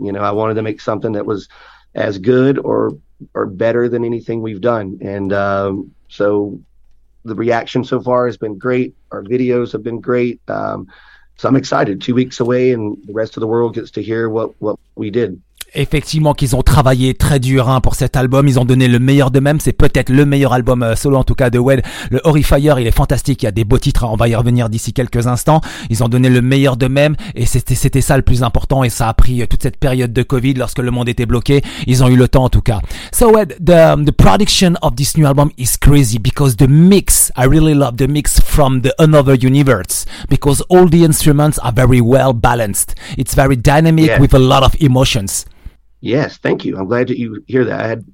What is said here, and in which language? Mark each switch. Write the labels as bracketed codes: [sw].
[en] You know, I wanted to make something that was as good or better than anything we've done. And so the reaction so far has been great. Our videos have been great. So I'm excited. 2 weeks away and the rest of the world gets to hear what we did. [fr] Effectivement qu'ils ont travaillé très dur hein, pour cet album, ils ont donné le meilleur d'eux-mêmes, c'est peut-être le meilleur album solo en tout cas de Wed. Le Horrifier, il est fantastique, il y a des beaux titres, hein. On va y revenir d'ici quelques instants. Ils ont donné le meilleur d'eux-mêmes et c'était ça le plus important, et ça a pris toute cette période de Covid lorsque le monde était bloqué, ils ont eu le temps en tout cas. [en] So Wed, the production of this new album is crazy because the mix, I really love the mix from the Another Universe, because all the instruments are very well balanced. It's very dynamic with a lot of emotions. Yes, thank you. I'm glad that you hear that.